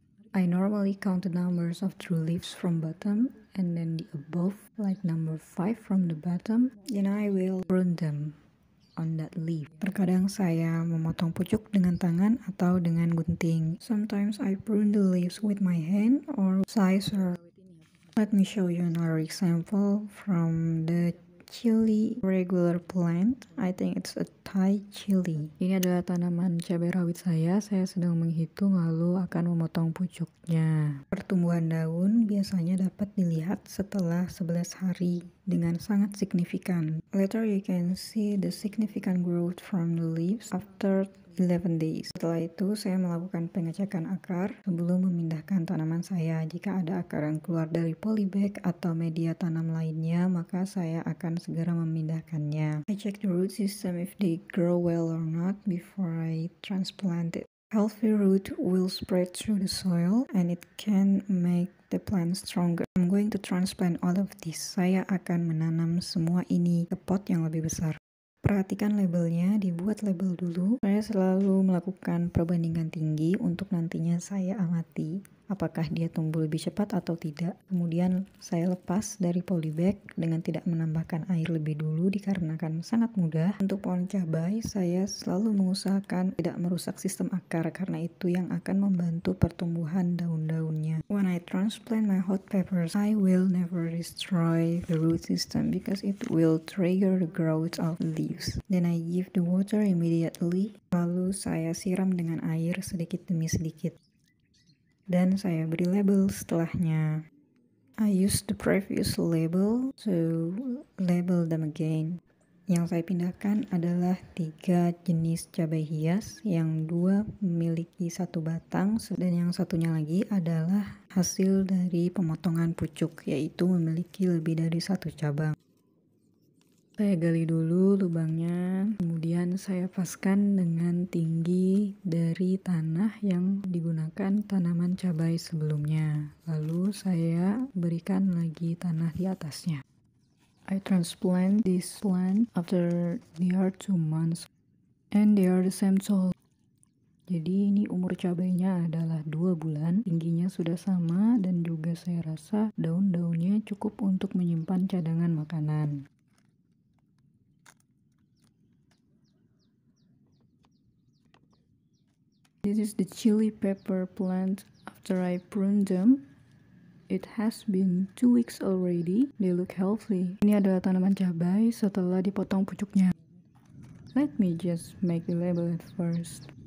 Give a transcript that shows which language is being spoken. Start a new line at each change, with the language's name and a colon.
English: I normally count the numbers of true leaves from bottom and then the above, like number 5 from the bottom, then I will prune them on that leaf.
Indonesian: Terkadang saya memotong pucuk dengan tangan atau dengan gunting.
English: Sometimes I prune the leaves with my hand or scissor. Let me show you another example from the chili regular plant. I think it's a Thai chili.
Indonesian: Ini adalah tanaman cabai rawit saya. Saya sedang menghitung lalu akan memotong pucuknya. Pertumbuhan daun biasanya dapat dilihat setelah 11 hari dengan sangat signifikan.
English: Later you can see the significant growth from the leaves after 11 days.
Indonesian: Setelah itu saya melakukan pengecekan akar sebelum memindahkan tanaman saya. Jika ada akar yang keluar dari polybag atau media tanam lainnya, maka saya akan segera memindahkannya.
English: I check the root system if they grow well or not before I transplant it. Healthy root will spread through the soil and it can make the plant stronger. I'm going to transplant all of this.
Indonesian: Saya akan menanam semua ini ke pot yang lebih besar. Perhatikan labelnya, dibuat label dulu. Saya selalu melakukan perbandingan tinggi untuk nantinya saya amati apakah dia tumbuh lebih cepat atau tidak. Kemudian saya lepas dari polybag dengan tidak menambahkan air lebih dulu, dikarenakan sangat mudah. Untuk pohon cabai, saya selalu mengusahakan tidak merusak sistem akar, karena itu yang akan membantu pertumbuhan daun-daunnya.
English: When I transplant my hot peppers, I will never destroy the root system because it will trigger the growth of leaves. Then I give the water immediately.
Indonesian: Lalu saya siram dengan air sedikit demi sedikit. Dan saya beri label setelahnya.
English: I use the previous label to label them again.
Indonesian: Yang saya pindahkan adalah 3 jenis cabai hias, yang 2 memiliki 1 batang, dan yang satunya lagi adalah hasil dari pemotongan pucuk, yaitu memiliki lebih dari 1 cabang. Saya gali dulu lubangnya, kemudian saya paskan dengan tinggi dari tanah yang digunakan tanaman cabai sebelumnya. Lalu saya berikan lagi tanah di atasnya.
English: I transplant this plant after near 2 months, and they are the same tall.
Indonesian: Jadi ini umur cabainya adalah 2 bulan, tingginya sudah sama, dan juga saya rasa daun-daunnya cukup untuk menyimpan cadangan makanan.
English: This is the chili pepper plant after I pruned them. It has been 2 weeks already. They look healthy.
Indonesian: Ini adalah tanaman cabai setelah dipotong pucuknya.
English: Let me just make the label at first.